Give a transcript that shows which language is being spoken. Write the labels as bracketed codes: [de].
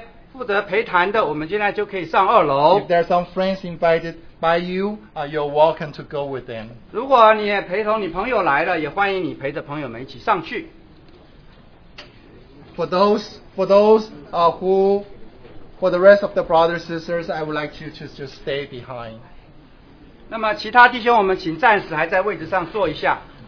[zh] 所以我们请弟兄姊妹仍然坐在位置上，但是呢，为着刚刚那些朋友们举手的，或者有问题的，还有一些负责陪谈的，我们现在就可以上二楼。 [en] If there are some friends invited by you, you're welcome to go with them. [zh] 如果你也陪同你朋友来了，也欢迎你陪着朋友们一起上去。 [en] For the rest of the brothers and sisters, I would like you to just stay behind. [zh] 那么其他弟兄，我们请暂时还在位置上坐一下。